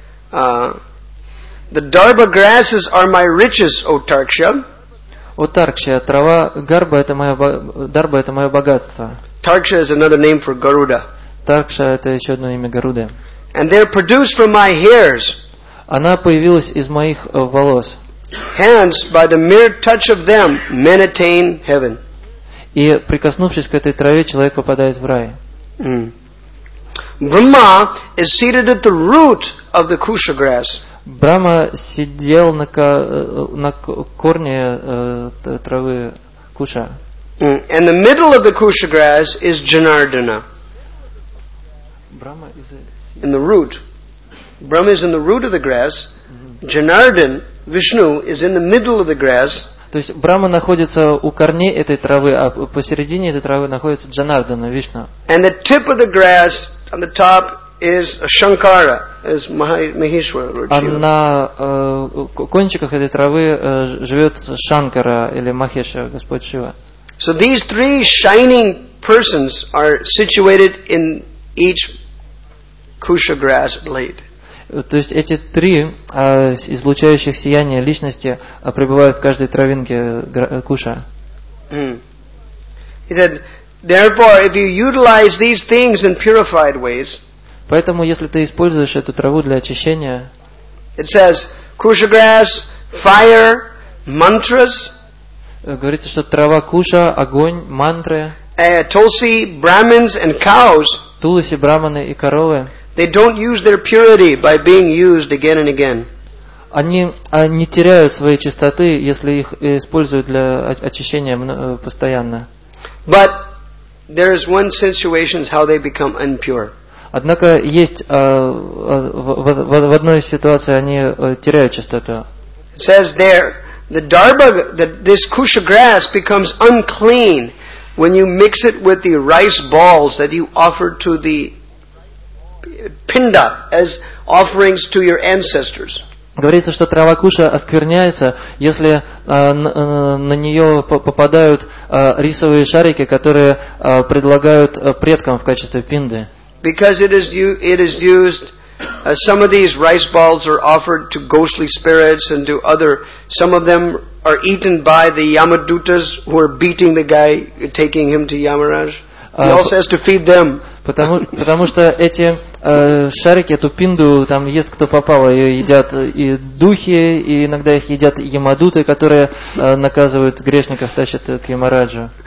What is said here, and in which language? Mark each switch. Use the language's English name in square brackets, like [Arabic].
[English] The Darba grasses are my riches, O Tarksha. [Russian] O Tarksha, трава Гарба это моё Дарба это моё богатство. [English] Tarksha is another name for Garuda. [Russian] Tarksha это ещё одно имя Гаруды. [English] And they're produced from my hairs. [Russian] Она появилась из моих волос. [English] Hence, by the mere touch of them, men attain heaven. [Russian] И прикоснувшись к этой траве, человек попадает в рай. [English] Brahma is seated at the root of the kusha grass. [Russian] Брама сидел на корне травы куша. [English] And the middle of the kusha grass is Janardana. Brahma is in the root. Brahma is in the root of the grass. Janardan, Vishnu, is in the middle of the grass. [Russian] То есть Брама находится у корней этой травы, а посередине этой травы находится Джанардана, Вишна. [English] And the tip of the grass on the top is Shankara, is Maheshwara. [Russian] А на кончиках этой травы живет Шанкара или Махеша, Господь Шива. [English] So these three shining persons are situated in each kusha grass blade. [Russian] То есть эти три излучающих сияние личности пребывают в каждой травинке куша. [English] He said, therefore, if you utilize these things in purified ways. [Russian] Поэтому, если ты используешь эту траву для очищения, [English] it says, kusha grass, fire, mantras. [Russian] Говорится, что трава куша, огонь, мантры. [English] Tulsi, Brahmins and cows, [Russian] Тулси, Брахманы и коровы, [English] they don't use their purity by being used again and again. [Russian] Они теряют свои чистоты, если их используют для очищения постоянно. [English] But there is one situation how they become impure. [Russian] Однако есть в одной ситуации они теряют чистоту. [English] It says there the darbha, this kusha grass becomes unclean when you mix it with the rice balls that you offered to the pinda as offerings to your ancestors. [Russian] Говорится, что трава куша оскверняется, если на нее попадают рисовые шарики, которые предлагают предкам в качестве пинды. [English] Because it is used, some of these rice balls are offered to ghostly spirits and to other, some of them are eaten by the Yamadutas who are beating the guy, taking him to Yamaraj. He also has to feed them. [Russian] Потому что эти шарики, эту пинду, там есть кто попало, ее едят и духи, и иногда их едят ямадуты, которые наказывают грешников, тащат к Ямараджу.